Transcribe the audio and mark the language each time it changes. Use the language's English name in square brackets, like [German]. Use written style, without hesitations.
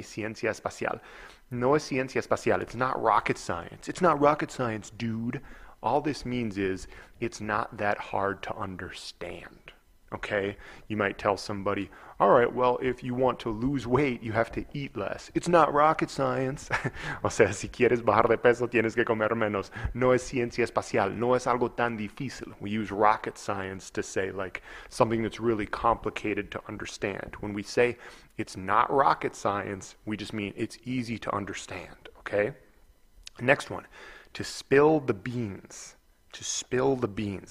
[Spanish] Ciencia espacial. No es ciencia espacial. [English] It's not rocket science. It's not rocket science, dude. All this means is it's not that hard to understand. Okay? You might tell somebody, all right, well, if you want to lose weight, you have to eat less. It's not rocket science. [Spanish] O sea, si quieres bajar de peso, tienes que comer menos. No es ciencia espacial. No es algo tan difícil. [English] We use rocket science to say, like, something that's really complicated to understand. When we say it's not rocket science, we just mean it's easy to understand, okay? Next one, to spill the beans. To spill the beans.